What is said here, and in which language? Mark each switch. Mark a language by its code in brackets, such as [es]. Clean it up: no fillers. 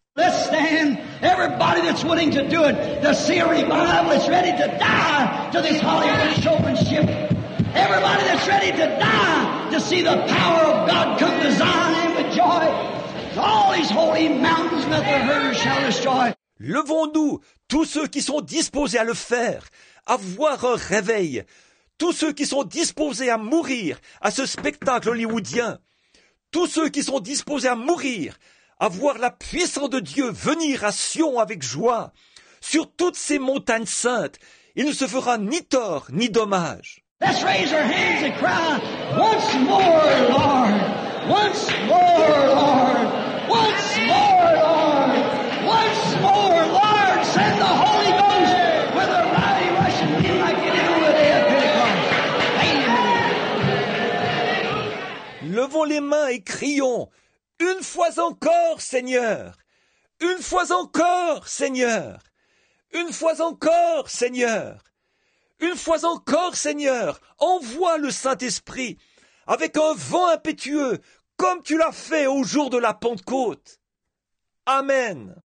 [en] Let's stand, everybody that's willing to do it, to see a revival that's ready to die to this Hollywood showmanship. Everybody that's ready to die to see the power of God come to Zion with joy. All these holy mountains that the herders shall destroy. [fr] Levons-nous, tous ceux qui sont disposés à le faire, à voir un réveil, tous ceux qui sont disposés à mourir à ce spectacle hollywoodien, tous ceux qui sont disposés à mourir, à voir la puissance de Dieu venir à Sion avec joie, sur toutes ces montagnes saintes, il ne se fera ni tort ni dommage. [en] Let's raise our hands and cry, once more, Lord, once more, Lord, once more, Lord, once more, Lord, send the Holy Ghost with a mighty rushing wind like you did on the day of Pentecost. Amen. [fr] Levons les mains et crions, une fois encore, Seigneur, une fois encore, Seigneur, une fois encore, Seigneur, une fois encore, Seigneur, envoie le Saint-Esprit avec un vent impétueux, comme tu l'as fait au jour de la Pentecôte. Amen.